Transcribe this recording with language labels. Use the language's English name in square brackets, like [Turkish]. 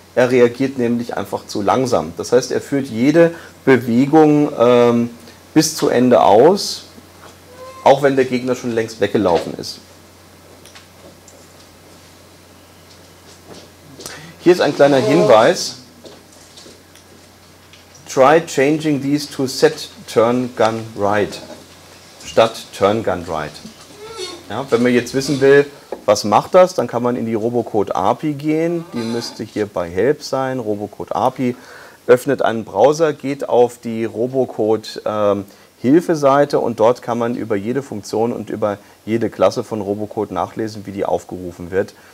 [German] Er reagiert nämlich einfach zu langsam. Das heißt, er führt jede Bewegung bis zu Ende aus, auch wenn der Gegner schon längst weggelaufen ist. Hier ist ein kleiner Hinweis. [English] Try changing these to set turn gun right statt turn gun right. [German] Ja, wenn man jetzt wissen will, was macht das, dann kann man in die Robocode API gehen. Die müsste hier bei Help sein. Robocode API öffnet einen Browser, geht auf die Robocode Hilfeseite und dort kann man über jede Funktion und über jede Klasse von Robocode nachlesen, wie die aufgerufen wird.